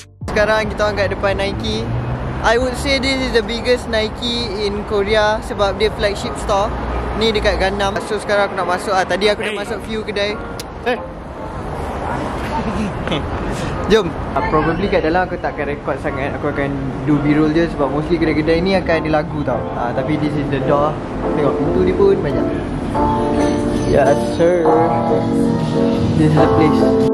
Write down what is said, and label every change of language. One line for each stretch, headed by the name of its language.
Malay: Sekarang kita orang kat depan Nike.
English: I would say this is the biggest Nike in Korea
Malay: sebab dia
English: flagship store.
Malay: Ni dekat Gangnam. So sekarang aku nak masuk lah. Tadi aku dah masuk few kedai. Jom. Probably kat dalam aku takkan record sangat. Aku akan do B-roll je sebab mostly kedai-kedai ni akan ada lagu tau. Tapi
English: this is the door.
Malay: Tengok pintu ni pun banyak.
English: Yes sir. This is the place.